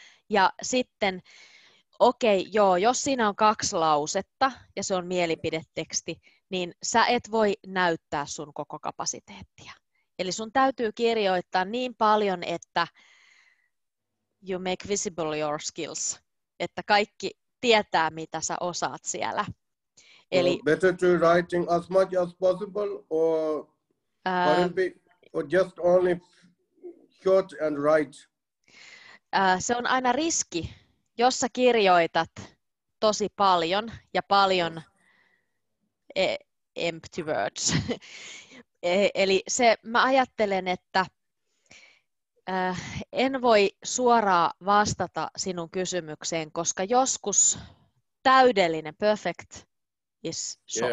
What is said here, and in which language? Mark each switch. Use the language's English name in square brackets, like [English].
[Finnish] Ja sitten, okei, jos siinä on kaksi lausetta ja se on mielipideteksti, niin sä et voi näyttää sun koko kapasiteettia. Eli sun täytyy kirjoittaa niin paljon, että [English] you make visible your skills, [Finnish] että kaikki tietää, mitä sä osaat siellä. Eli, [English] better to writing as much as possible or just only short and write? [Finnish] Se on aina riski, jos sä kirjoitat tosi paljon ja paljon [English] empty words. [Finnish] Eli se, mä ajattelen, että en voi suoraan vastata sinun kysymykseen, koska joskus täydellinen, [English] perfect, is short.